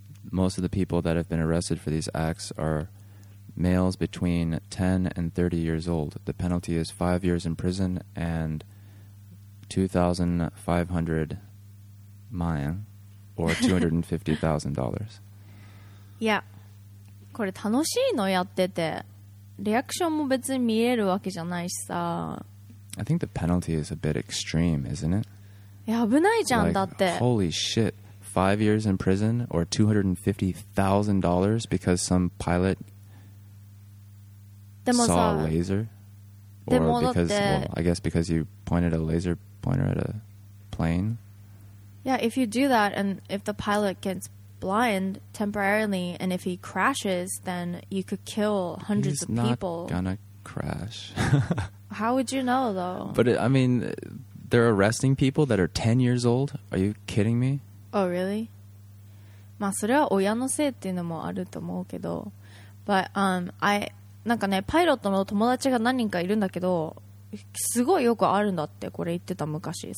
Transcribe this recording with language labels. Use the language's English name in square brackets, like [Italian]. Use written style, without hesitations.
[English] Most of the people that have been arrested for these acts are males between 10 and 30 years old. The penalty is 5 years in prison and 2,500 mayan, or $250,000. [Japanese] いや、これ楽しいのやってて、リアクションも別に見えるわけじゃないしさ。 [English] I think the penalty is a bit extreme, isn't it? [Japanese] いや、危ないじゃん、だって。 [English] Holy shit, 5 years in prison or $250,000 because some pilot saw a laser? [Japanese] でもだって、 [English] well, I guess because you pointed a laser pointer at a plane? Yeah, if you do that and if the pilot gets... blind temporarily, and if he crashes, then you could kill hundreds of people. He's not gonna crash. How would you know, though? But it, I mean, they're arresting people that are 10 years old. Are you kidding me? Oh, really? [Japanese] まあそれは親のせいっていうのもあると思うけど、 [English] but I [Japanese] なんかねパイロットの友達が何人かいるんだけど、すごいよくあるんだってこれ言ってた昔。